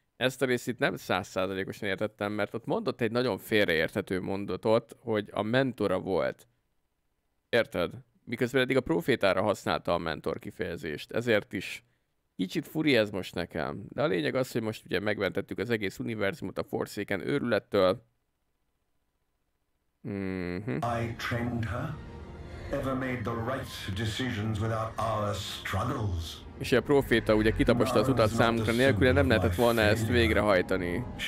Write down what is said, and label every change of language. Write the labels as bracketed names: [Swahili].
[Hungarian] Ezt a részt itt nem 100%-osan értettem, mert ott mondott egy nagyon félreérthető mondatot, hogy a mentora volt. Érted? Miközben eddig a profétára használta a mentor kifejezést. Ezért is Kicsit furi ez most nekem, de a lényeg az, hogy most ugye megmentettük az egész univerzumot a Forsaken őrülettől. [English] I trained her. Ever made the right decisions without our struggles. [Hungarian] És a proféta ugye kitaposta az utat számunkra, nélküle nem lehetett volna ezt végrehajtani.